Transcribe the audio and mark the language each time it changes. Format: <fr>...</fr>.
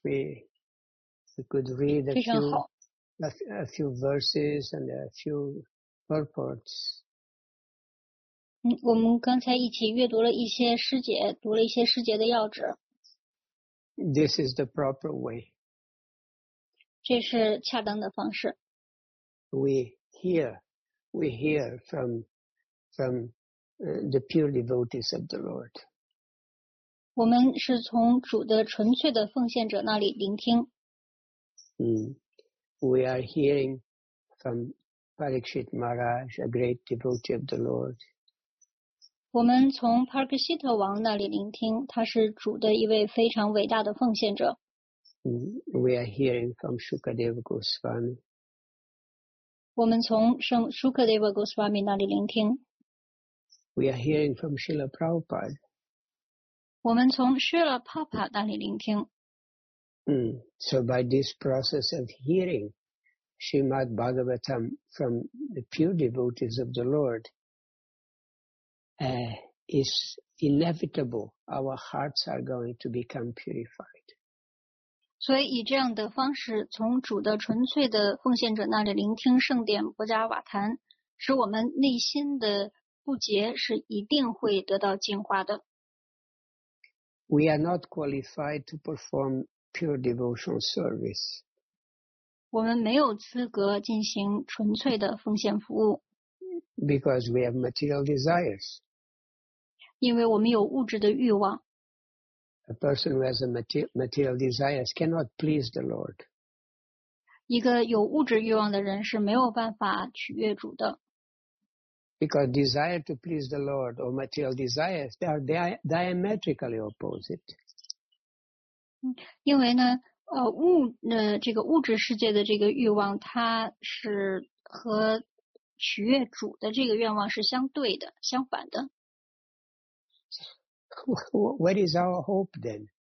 <en>We could read a few verses and a few purports.</en> <zh>我们刚才一起阅读了一些诗节，读了一些诗节的要旨。</zh> <en>This is the proper way.</en> <zh>这是恰当的方式。</zh> <en>We hear from the pure devotees of the Lord.</en> <zh>我们是从主的纯粹的奉献者那里聆听。</zh> <en>We are hearing from Parikshit Maharaj, a great devotee of the Lord.</en> <zh>我们从 Parikshita 王那里聆听，他是主的一位非常伟大的奉献者。</zh> <en>We are hearing from Shukadeva Goswami.</en> <zh>我们从圣 Shukadeva Goswami 那里聆听。</zh> <en>We are hearing from Srila Prabhupada.</en> <zh>我们从 Srila Prabhupada 那里聆听。</zh> <en>So by this process of hearing Srimad Bhagavatam from the pure devotees of the Lord, is inevitable our hearts are going to become purified.</en> <zh>所以以这样的方式从主的纯粹的奉献者那里聆听圣殿波加瓦坛，使我们内心的不洁是一定会得到净化的。</zh> <en>We are not qualified to perform pure devotional service.</en> <zh>我们没有资格进行纯粹的奉献服务。</zh> <en>Because we have material desires.</en> <zh>因为我们有物质的欲望。</zh> <en>A person who has a material desires cannot please the Lord.</en> <zh>一个有物质欲望的人是没有办法取悦主的。</zh> <en>Because desire to please the Lord or material desires, they are diametrically opposite.</en> <zh>因为呢，这个物质世界的这个欲望，它是和取悦主的这个愿望是相对的，相反的。</zh> <en>What is our hope then?</en>